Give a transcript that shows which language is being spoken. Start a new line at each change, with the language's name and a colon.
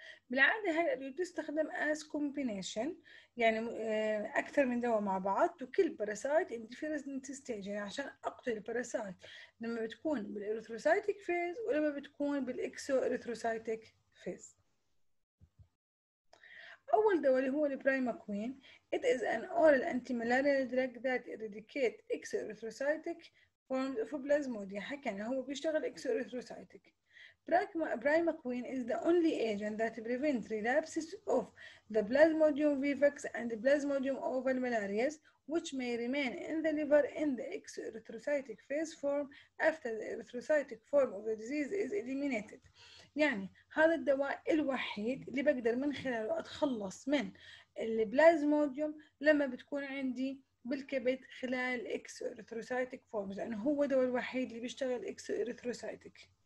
Arabic: بالعاده هاي الادويه بتستخدم از كومبينيشن، يعني اكثر من دواء مع بعض، وكل باراسايت انديفيرنت ستيج، يعني عشان اقتل الباراسايت لما بتكون بالاريثروسايتك فيز ولما بتكون بالاكسو اريثروسايتك فيز. أول دواء اللي هو البرايماكوين،
English: it is an oral antimalarial drug that eradicate exerythrocytic forms of plasmodium.
Arabic: حكينا هو بيشتغل exerythrocytic.
English: Primaquine is the only agent that prevents relapses of the plasmodium vivax and the plasmodium oval malarias which may remain in the liver in the exerythrocytic phase form after the erythrocytic form of the disease is eliminated.
Arabic: يعني هذا الدواء الوحيد اللي بقدر من خلاله اتخلص من البلازموديوم لما بتكون عندي بالكبد خلال اكسو اريثروسايتك فورمز، لانه هو الدواء الوحيد اللي بيشتغل اكسو اريثروسايتك.